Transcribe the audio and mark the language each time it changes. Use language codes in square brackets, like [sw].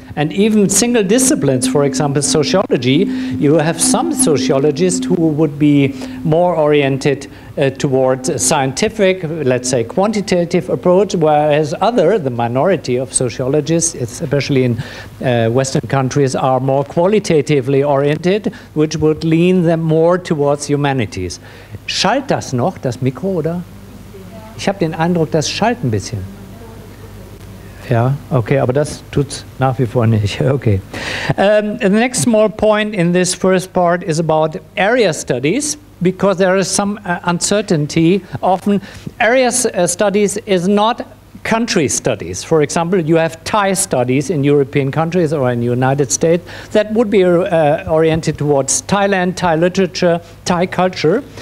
[en] And even single disciplines, for example, sociology, you have some sociologists who would be more oriented towards a scientific, let's say, quantitative approach, whereas the minority of sociologists, especially in Western countries, are more qualitatively oriented, which would lean them more towards humanities. [de] Schallt das noch, das Mikro, oder? Ich habe den Eindruck, das schallt ein bisschen. Ja, okay, aber das tut's nach wie vor nicht. Okay. [en] The next small point in this first part is about area studies, because there is some uncertainty. Often, area studies is not country studies. For example, you have Thai studies in European countries or in the United States that would be oriented towards Thailand, Thai literature, Thai culture.